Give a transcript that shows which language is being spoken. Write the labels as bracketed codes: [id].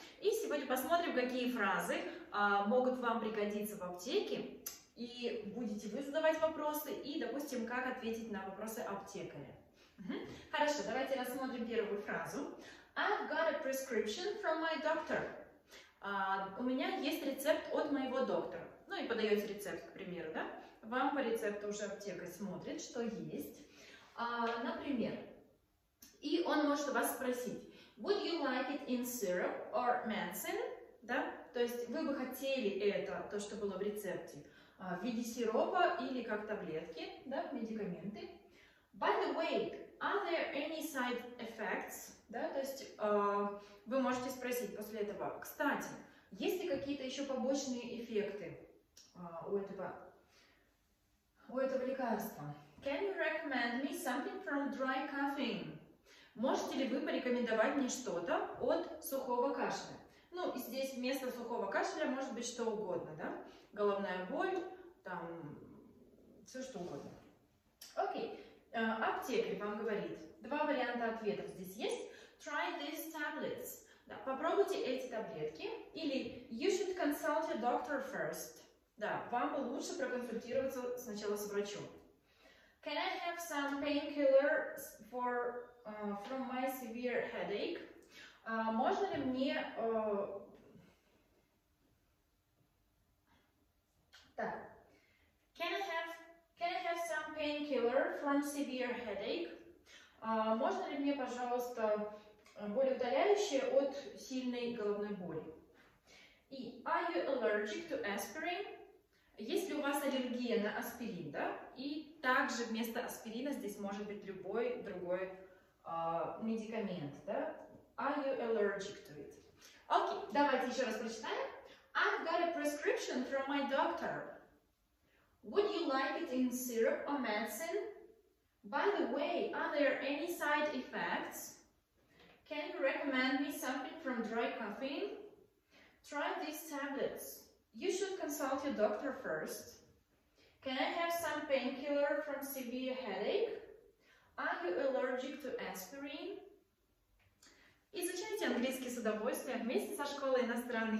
[ru] И сегодня посмотрим, какие фразы могут вам пригодиться в аптеке. И будете вы задавать вопросы, и, допустим, как ответить на вопросы аптекаря. Хорошо, давайте рассмотрим первую фразу. [en] I've got a prescription from my doctor. [ru] У меня есть рецепт от моего доктора. Ну и подаете рецепт, к примеру, да? Вам по рецепту уже аптека смотрит, что есть. Например, и он может вас спросить, [en] would you like it in syrup or medicine? [ru] Да? То есть вы бы хотели это, то, что было в рецепте, в виде сиропа или как таблетки, да, медикаменты. [en] By the way, are there any side effects? [ru] Да, то есть вы можете спросить после этого, кстати, есть ли какие-то еще побочные эффекты у этого лекарства? [en] Can you recommend me something from dry coughing? [ru] Можете ли вы порекомендовать мне что-то от сухого кашля? Ну, и здесь вместо сухого кашля может быть что угодно, да? Головная боль, там, все что угодно. Окей, аптекарь вам говорит. Два варианта ответов здесь есть. [en] Try these tablets. [ru] Да, попробуйте эти таблетки. [en] Или you should consult your doctor first. [ru] Да, вам бы лучше проконсультироваться сначала с врачом. [en] Can I have some painkillers from my severe headache? [ru] Можно ли мне... [en] Can I have some painkiller from severe headache? [ru] Можно ли мне, пожалуйста, болеутоляющее от сильной головной боли? [en] И are you allergic to aspirin? [ru] Есть ли у вас аллергия на аспирин, да? И также вместо аспирина здесь может быть любой другой медикамент, да? [en] Are you allergic to it? [ru] Окей, давайте еще раз прочитаем. [en] I've got a prescription from my doctor. Would you like it in syrup or medicine? By the way, are there any side effects? Can you recommend me something from dry coughing? Try these tablets. You should consult your doctor first. Can I have some painkiller from severe headache? Are you allergic to aspirin? [ru] Изучайте английский с удовольствием вместе со школой иностранных.